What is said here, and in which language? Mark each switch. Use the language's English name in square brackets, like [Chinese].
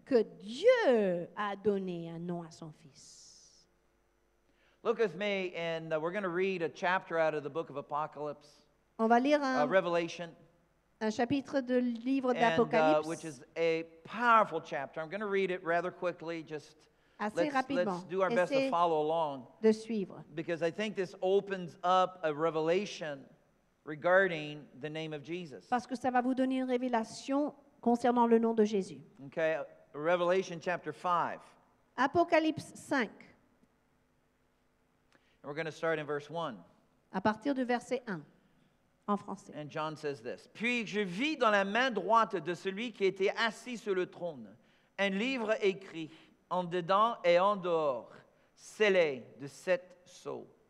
[French] Que Dieu a donné un nom à son fils. [English] Look with me, and we're going to read a chapter out of the book of Apocalypse. [French] On va lire un [English] Revelation. [French] Un chapitre de livre d'Apocalypse. [English] And, which is a powerful chapter. I'm going to read it rather quickly, just let's do our best to follow along. [French] De suivre. [English] Because I think this opens up a revelation regarding the name of Jesus. [French] Parce que ça va vous donner une révélation concernant le nom de Jésus. [English] Okay, Revelation chapter 5. [French] Apocalypse 5. [English] And we're going to start in verse 1. [French] À partir du verset 1. En français. [English] And John says this. [French] Puis je vis dans la main droite de celui qui était assis sur le trône un livre écrit en dedans et en dehors, scellé de 7 sceaux.